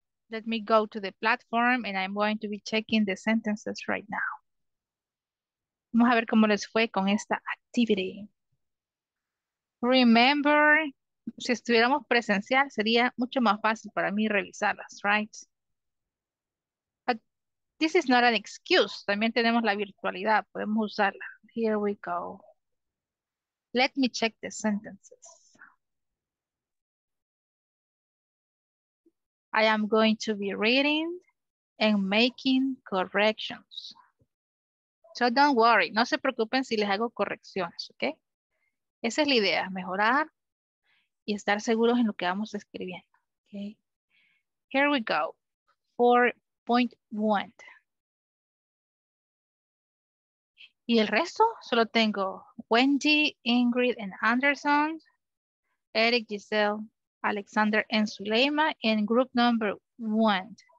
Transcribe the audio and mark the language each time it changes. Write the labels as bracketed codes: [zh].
[en] Let me go to the platform and I'm going to be checking the sentences right now. [es] Vamos a ver cómo les fue con esta activity. [en] Remember, [es] si estuviéramos presencial, sería mucho más fácil para mí revisarlas, [en] right? But this is not an excuse. [es] También tenemos la virtualidad, podemos usarla. [en] Here we go. Let me check the sentences. I am going to be reading and making corrections. So don't worry, [es] no se preocupen si les hago correcciones, ¿ok? Esa es la idea, mejorar y estar seguros en lo que vamos escribiendo, ¿ok? [en] Here we go, 4.1. [es] Y el resto, solo tengo Wendy, Ingrid, and Anderson, Eric, Giselle, Alexander and Suleyma [en] in group number one.